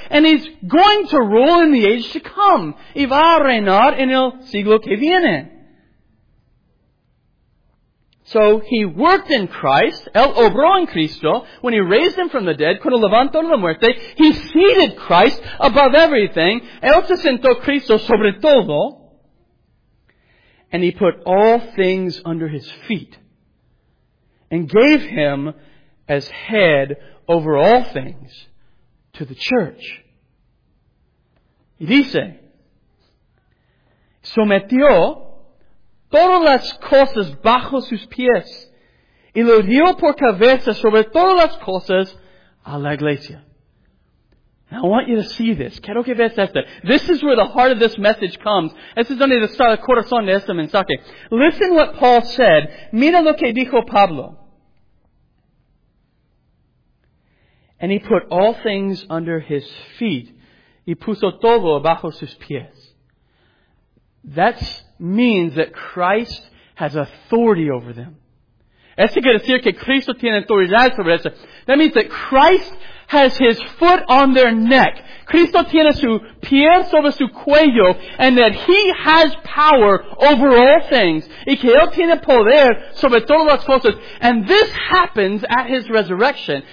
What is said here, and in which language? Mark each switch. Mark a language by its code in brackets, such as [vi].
[en] And He's going to rule in the age to come. [es] Y va a reinar en el siglo que viene. [en] So, He worked in Christ. [es] Él obró en Cristo. [en] When He raised Him from the dead. [es] Cuando levantó de la muerte. [en] He seated Christ above everything. [es] Él se sentó Cristo sobre todo. [en] And He put all things under His feet and gave Him as head over all things to the church. [es] Y dice, sometió todas las cosas bajo sus pies y lo dio por cabeza sobre todas las cosas a la iglesia. [en] Now I want you to see this. [es] Quiero que veas esto. [en] This is where the heart of this message comes. This is only the start of the [es] corazón de este mensaje. [en] Listen what Paul said. [es] Mira lo que dijo Pablo. [en] And he put all things under his feet. [es] Y puso todo bajo sus pies. [en] That means that Christ has authority over them. [es] Eso quiere decir que Cristo tiene autoridad sobre eso. [en] That means that Christ has His foot on their neck. [es] Cristo tiene su pie sobre su cuello, [en] and that He has power over all things. [es] Y que Él tiene poder sobre todas las cosas. [en] And this happens at His resurrection.